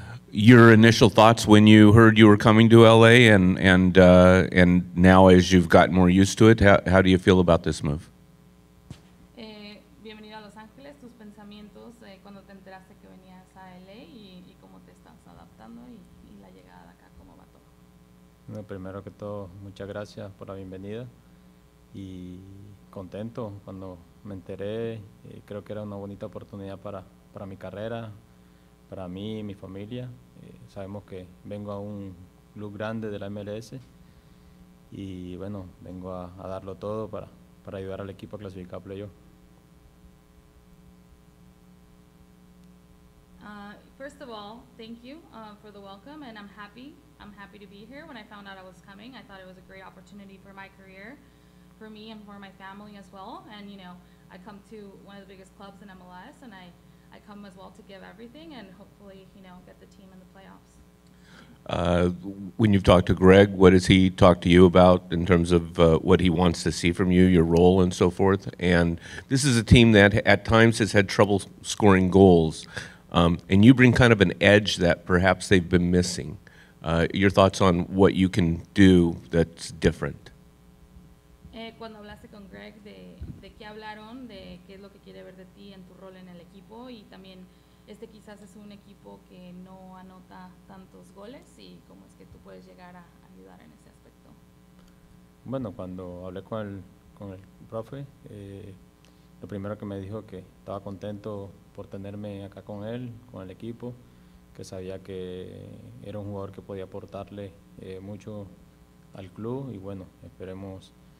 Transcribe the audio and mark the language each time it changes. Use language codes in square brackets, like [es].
[en] Your initial thoughts when you heard you were coming to LA and now as you've gotten more used to it, how do you feel about this move? [es] Bienvenido a Los Ángeles, tus pensamientos cuando te enteraste que venías a LA y cómo te estás adaptando y la llegada acá, cómo va todo. Bueno, primero que todo, muchas gracias por la bienvenida y contento cuando me enteré, creo que era una bonita oportunidad para mi carrera, para mí y mi familia. Sabemos que vengo a un club grande de la MLS y bueno, vengo a darlo todo para ayudar al equipo a clasificar a playoff. [en] First of all, thank you for the welcome, and I'm happy to be here. When I found out I was coming, I thought it was a great opportunity for my career, for me and for my family as well. And you know, I come to one of the biggest clubs in MLS, and I come as well to give everything and hopefully, you know, get the team in the playoffs. When you've talked to Greg, what has he talked to you about in terms of what he wants to see from you, your role and so forth? And this is a team that at times has had trouble scoring goals. And you bring kind of an edge that perhaps they've been missing. Your thoughts on what you can do that's different? [es] Cuando hablaste con Greg, de qué hablaron, de qué es lo que quiere ver de ti en tu rol en el equipo, y también este quizás es un equipo que no anota tantos goles, y cómo es que tú puedes llegar a ayudar en ese aspecto. Bueno, cuando hablé con el profe, lo primero que me dijo que estaba contento por tenerme acá con él, con el equipo, que sabía que era un jugador que podía aportarle mucho al club, y bueno, esperemos